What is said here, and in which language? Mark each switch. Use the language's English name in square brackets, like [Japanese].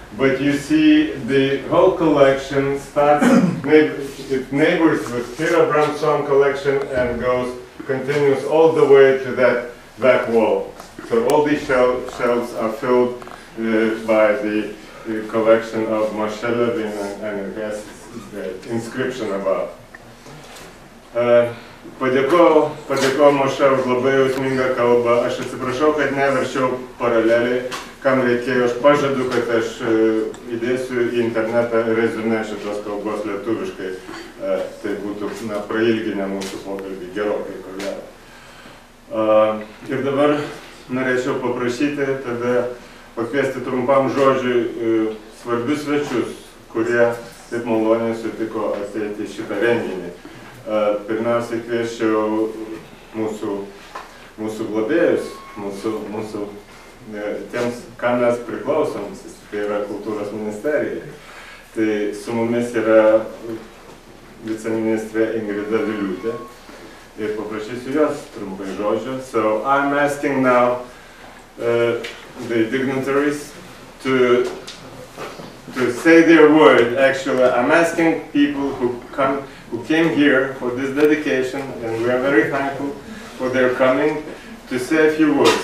[English] But you see, the whole collection starts, it neighbors with Peter Bramson collection and continues all the way to that back wall. So all these shelves are filled by the collection of Moshe Levin and it has the inscription above. [Lithuanian] Padėkau Moshe už labai jausmingą kalbą. Aš atsiprašau, kad neverčiau paralelį. Kam reikėjo, aš pažadu, kad aš įdėsiu į internetą rezumė šitos kalbos lietuviškai. Tai būtų prailginę mūsų pokalbį gerokai, ko gero. Ir dabar norėčiau paprašyti, tada pakviesti trumpam žodžiui svarbius svečius, kurie taip maloniai sutiko ateiti šitą renginį. Pirmiausia, kviesčiau mūsų globėjus, mūsų tiems, kam mes priklausom, tai yra kultūros ministerija. Tai su mumis yra viceministrė Ingrida Viliūtė. Ir paprašysiu jos trumpai žodžio. [English] So I'm asking now the dignitaries to say their word. Actually, I'm asking people who came here for this dedication, and we are very thankful for their coming, to say a few words.